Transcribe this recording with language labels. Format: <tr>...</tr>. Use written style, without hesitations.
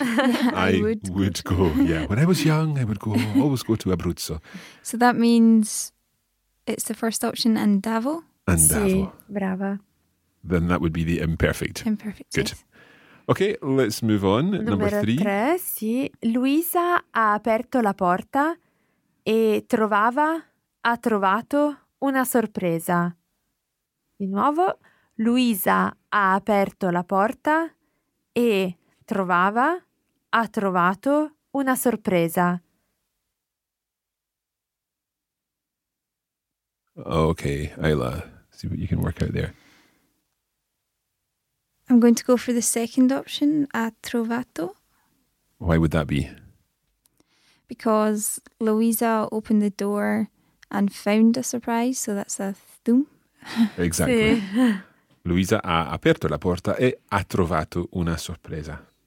<en>I would go. Yeah. When I was young, I would always go to Abruzzo. So that means it's the first option,</en> <it>andavo. Andavo. Sí. Brava.</it> <en>Then that would be the imperfect. Imperfect. Good. Yes. Okay, let's move on. Number three.</en> <it>Sì. Luisa ha aperto la porta. E ha trovato una sorpresa. Di nuovo, Luisa ha aperto la porta e ha trovato una sorpresa.</it> <en>Okay, Ayla, see what you can work out there. I'm going to go for the second option,</en> <it>ha trovato.</it> <en>Why would that be? Because Louisa opened the door and found a surprise, so that's a thum. Exactly.</en> <it>Sì. Louisa ha aperto la porta e ha trovato una sorpresa.</it>